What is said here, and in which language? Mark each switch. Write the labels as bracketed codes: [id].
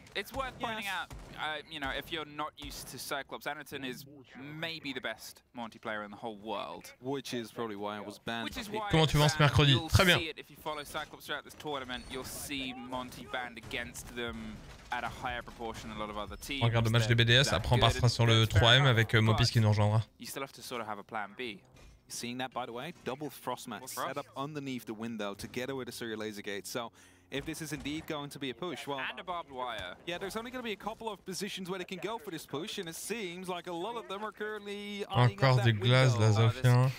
[en] It's worth pointing out, you know, if you're not used to Cyclops, Anaton is maybe the best Monty player in the whole world. Which is probably why I was banned. [fr] Comment tu penses mercredi? Très bien. [en] If you follow Cyclops throughout this tournament, you'll see Monty banned against them at a higher proportion than a lot of other teams. [fr] Regarde le match de BDS, après on passera sur le 3M avec Mopis qui nous rejoindra. [en] You still have to sort of have a plan B. Seeing that, by the way, double frost mat set up underneath the window together with the serial laser gate. So if this is indeed going to be a push, well, and a barbed wire. Yeah, there's only going to be a couple of positions where they can go for this push, and it seems like a lot of them are currently [fr] encore du glace, la Zofia.